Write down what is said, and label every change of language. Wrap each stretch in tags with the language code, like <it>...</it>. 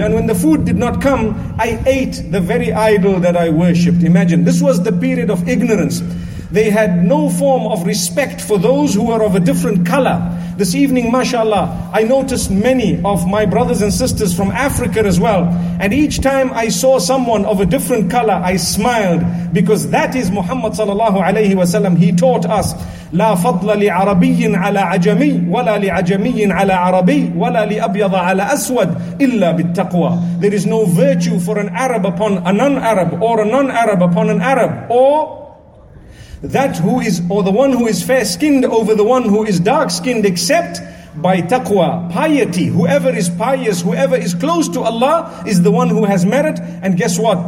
<en>And when the food did not come, I ate the very idol that I worshipped. Imagine, this was the period of ignorance. They had no form of respect for those who were of a different color. This evening, mashallah, I noticed many of my brothers and sisters from Africa as well. And each time I saw someone of a different color, I smiled. Because that is Muhammad sallallahu alayhi wa sallam. He taught us,</en> <ar>لا فضل لعربي على عجمي ولا لعجمي على عربي ولا لأبيض على أسود إلا بالتقوى.</ar> <en>There is no virtue for an Arab upon a non-Arab, or a non-Arab upon an Arab, or the one who is fair-skinned over the one who is dark-skinned, except by taqwa, piety. Whoever is pious, whoever is close to Allah, is the one who has merit. And guess what?</en>